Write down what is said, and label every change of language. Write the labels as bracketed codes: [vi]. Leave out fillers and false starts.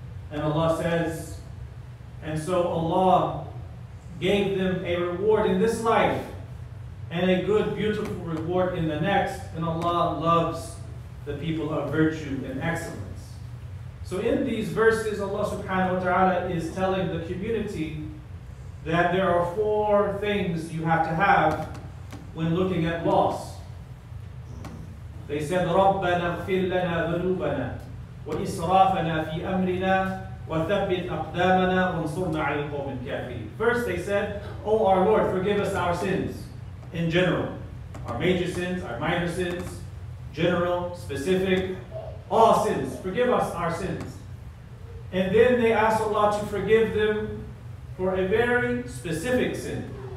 [en] And Allah says, and so Allah gave them a reward in this life and a good, beautiful reward in the next. And Allah loves the people of virtue and excellence. So in these verses, Allah subhanahu wa ta'ala is telling the community that there are four things you have to have when looking at loss. They said, [ar] رَبَّنَا اغْفِرْ لَنَا ذُنُوبَنَا وَإِسْرَافَنَا فِي أَمْرِنَا وَثَبِّتْ أَقْدَامَنَا وَانْصُرْنَا عَلَى الْقَوْمِ الْكَافِرِينَ. [en] First they said, oh our Lord, forgive us our sins in general. Our major sins, our minor sins, general, specific, all sins. Forgive us our sins. And then they asked Allah to forgive them for a very specific sin.